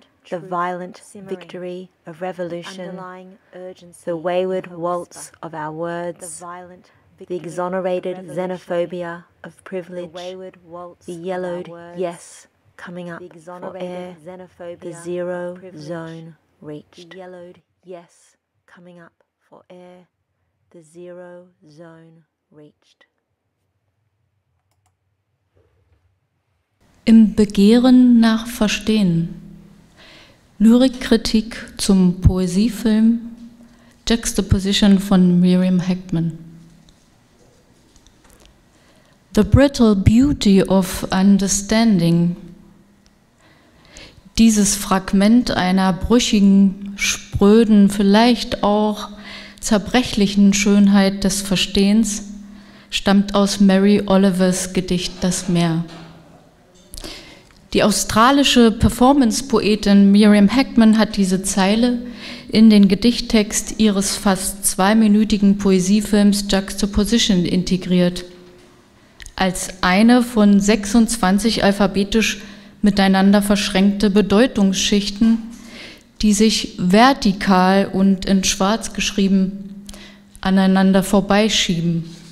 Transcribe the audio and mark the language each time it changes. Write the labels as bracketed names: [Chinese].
[English] the violent victory of revolution, the wayward waltz of our words, the exonerated xenophobia of privilege, the yellowed yes coming up for air, the zero zone reached. The yellowed yes coming up for air, the zero zone reached. [German] Im Begehren nach Verstehen. Lyrikkritik zum Poesiefilm Juxtaposition von Miriam Heckman. [English] The brittle beauty of understanding. [German] Dieses Fragment einer brüchigen, spröden, vielleicht auch zerbrechlichen Schönheit des Verstehens stammt aus Mary Olivers Gedicht Das Meer. Die australische Performance-Poetin Miriam Heckman hat diese Zeile in den Gedichttext ihres fast zweiminütigen Poesiefilms Juxtaposition integriert, als eine von 26 alphabetisch miteinander verschränkte Bedeutungsschichten, die sich vertikal und in Schwarz geschrieben aneinander vorbeischieben.